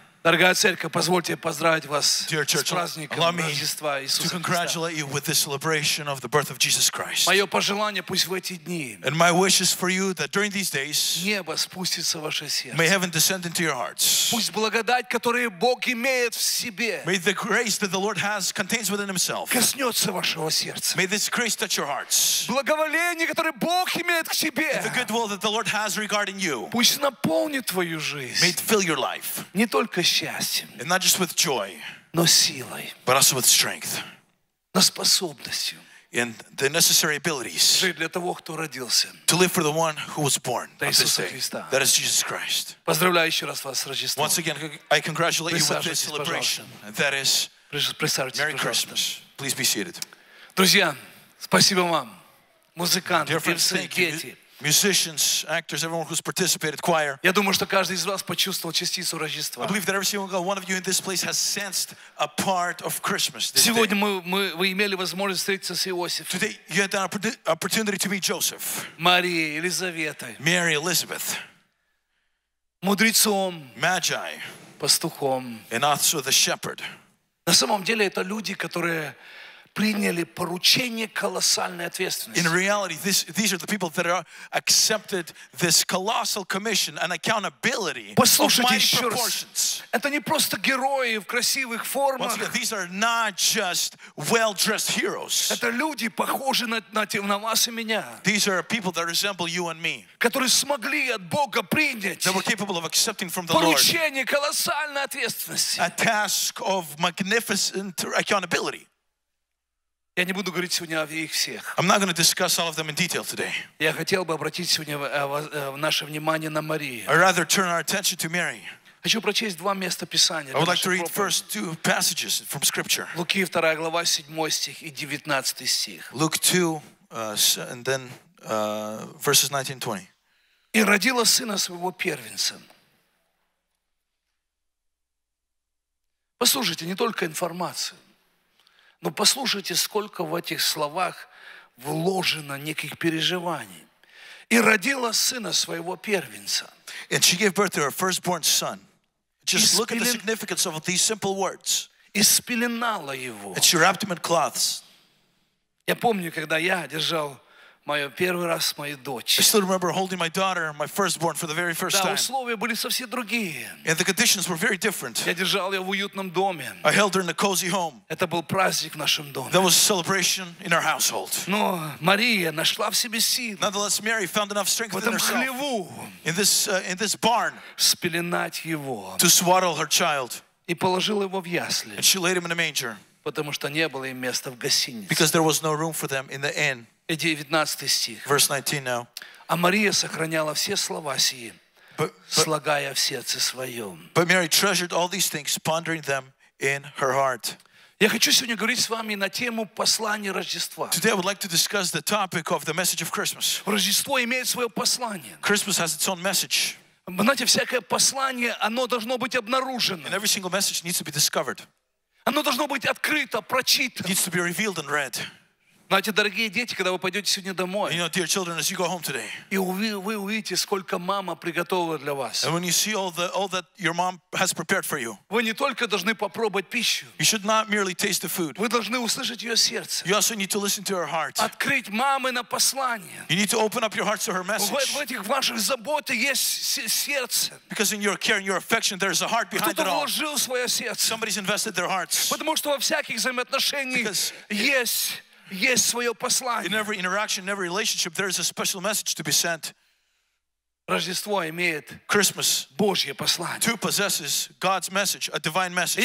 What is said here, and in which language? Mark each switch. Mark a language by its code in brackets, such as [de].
[ru] Дорогая церковь, позвольте поздравить вас с праздником Рождества Иисуса Христа. [en] To congratulate you with the celebration of the birth of Jesus Christ. [ru] Мое пожелание, пусть в эти дни. [en] And my wish is for you that during these days. [ru] Небо спустится в ваше сердце. [en] May heaven descend into your hearts. [ru] Пусть благодать, которую Бог имеет в себе. [en] May the grace that the Lord has contains within Himself. [ru] Коснется вашего сердца. [en] May this grace touch your hearts. [ru] Благоволение, которое Бог имеет к себе. [en] And the goodwill that the Lord has regarding you. [ru] Пусть наполнит твою жизнь. [en] May it fill your life. [ru] Не только [en] And not just with joy, [ru] силой, [en] but also with strength, [ru] способностью, [en] and the necessary abilities [ru] того, [en] to live for the one who was born on this day. [ru] Христа. [en] That is Jesus Christ. [ru] Поздравляю еще раз вас с Рождеством. [en] Once again, I congratulate you with this celebration. [ru] Пожалуйста. [en] That is Merry [ru] пожалуйста. [en] Christmas. Please be seated. [ru] Друзья, спасибо вам, музыканты, [en] Dear friends, thank you. Musicians, actors, everyone who's participated, choir. [ru] Я думаю, что каждый из вас почувствовал частицу Рождества. [en] I believe that every single one of you in this place has sensed a part of Christmas. [ru] Сегодня мы имели возможность встретиться с Иосифом. [en] Today you had the opportunity to meet Joseph. [ru] Мария, Елизавета. [en] Mary, Elizabeth. [ru] Мудрецом. [en] Magi. [ru] Пастухом. [en] And also the shepherd. [ru] На самом деле это люди, которые приняли поручение колоссальной ответственности. [en] In reality, these are the people that are accepted this colossal commission and accountability. [ru] Послушайте [en] of mighty proportions. [ru] Это не просто герои в красивых формах. [en] Once again, these are not just well-dressed heroes. [ru] Это люди, похожи на вас и меня. [en] These are people that resemble you and me. [ru] Которые смогли от Бога принять. [en] That were capable of accepting from the [ru] поручение Колоссальной ответственности. [en] A task of magnificent accountability. [ru] Я не буду говорить сегодня о их всех. [en] I'm not going to discuss all of them in detail today. [ru] Я хотел бы обратить сегодня наше внимание на Марию. [en] I'd rather turn our attention to Mary. [ru] Хочу прочесть два места Писания. [en] I would like to read first two passages from Scripture. [ru] Луки 2 глава 7 стих и 19 стих. [en] Luke 2, and then verses 19-20. [ru] И родила сына своего первенца. Послушайте, не только информацию, но послушайте, сколько в этих словах вложено неких переживаний. И родила сына своего первенца. [en] And she gave birth to her firstborn son. Just look at the significance of these simple words. [ru] И спеленала его. [en] And she wrapped him in cloths. [ru] Я помню, когда я держал мою первый раз мою дочь. [en] I still remember holding my daughter, my firstborn, for the very first time. [ru] Да, условия были совсем другие. [en] And the conditions were very different. [ru] Я держал ее в уютном доме. [en] I held her in a cozy home. [ru] Это был праздник в нашем доме. [en] That was a celebration in our household. [ru] Но Мария нашла в себе силы. [en] Nonetheless, Mary found enough strength in herself. [ru] В этом хлеву. [en] In this barn. [ru] Спеленать его. [en] To swaddle her child. [ru] И положила его в ясли. [en] And she laid him in a manger. [ru] Потому что не было им места в гостинице. [en] Because there was no room for them in the inn. [ru] И 19 стих. [en] Verse 19 now. [ru] А Мария сохраняла все слова сии, слагая в сердце своем. [en] But Mary treasured all these things, pondering them in her heart. [ru] Я хочу сегодня говорить с вами на тему послания Рождества. [en] Today I would like to discuss the topic of the message of Christmas. [ru] Рождество имеет свое послание. [en] Christmas has its own message. [ru] Знаете, всякое послание, оно должно быть обнаружено. [en] And every single message needs to be discovered. [ru] Оно должно быть открыто, прочитано. [en] It needs to be revealed and read. [ru] Знаете, дорогие дети, когда вы пойдете сегодня домой, [en] you know, dear children, as you go home today, [ru] и вы увидите, сколько мама приготовила для вас, [en] and when you see all that your mom has prepared for you, [ru] вы не только должны попробовать пищу, [en] you should not merely taste the food, [ru] вы должны услышать ее сердце, [en] you also need to listen to her heart, [ru] открыть мамы на послание, [en] you need to open up your heart to her message, [ru] в этих ваших заботах есть сердце, [en] because in your care and your affection there is a heart behind it all, [ru] кто-то вложил свое сердце, [en] somebody's invested their hearts, [ru] потому что во всяких взаимоотношениях есть Есть свое послание. [en] In every interaction, in every relationship, there is a special message to be sent. [ru] Рождество имеет [en] Christmas [ru] Божье послание. [en] To possesses God's message, a divine message.